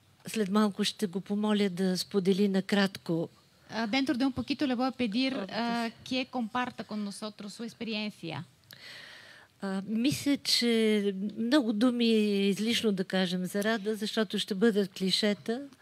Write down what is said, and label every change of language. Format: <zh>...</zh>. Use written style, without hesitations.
<bg>след малко ще го помоля да сподели накратко.</bg> <es>Dentro de un poquito le voy a pedir que comparta con nosotros su experiencia.</es> <bg>Мисля, че много думи е излишно да кажем за Рада, защото ще бъдат клишета.</bg>